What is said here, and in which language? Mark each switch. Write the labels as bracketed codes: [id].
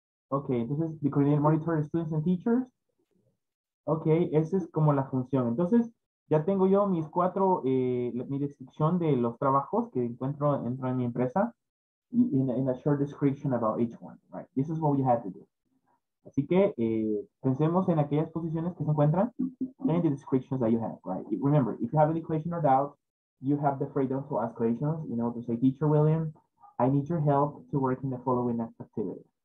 [en] Okay, [es] entonces, [en] the coordinator monitors students and teachers. [es] Okay, esa es como la función. Entonces, ya tengo yo mis 4, mi descripción de los trabajos que encuentro dentro de mi empresa. [en] In a short description about each one, right? This is what you had to do. [es] Así que pensemos en aquellas posiciones que se encuentran en [en] the descriptions that you have, right? Remember, if you have any question or doubt, you have the freedom to ask questions, you know, to say, Teacher William, I need your help to work in the following activity.